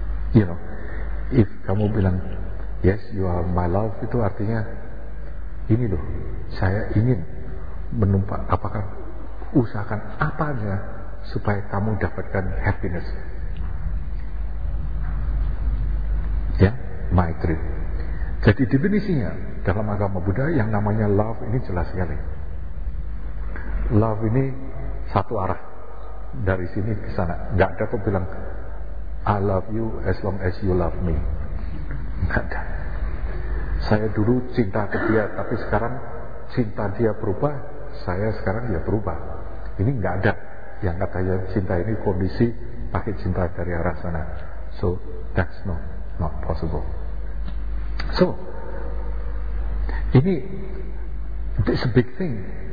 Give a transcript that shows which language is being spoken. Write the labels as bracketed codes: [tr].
[en] You know, if [id] kamu bilang [en] yes you are my love, [id] itu artinya ini loh, saya ingin menumpang, apakah usahakan apanya supaya kamu dapatkan happiness. Ya, Maitri. Jadi definisinya dalam agama Buddha yang namanya love ini jelas sekali. Love ini satu arah, dari sini ke sana. Gak ada kok bilang [en] I love you as long as you love me. [id] Gak ada. Saya dulu cinta ke dia, tapi sekarang cinta dia berubah, saya sekarang dia berubah. Ini gak ada. Yang katanya cinta ini kondisi, pakai cinta dari arah sana. [en] So that's not possible. So [id] ini [en] it's a big thing.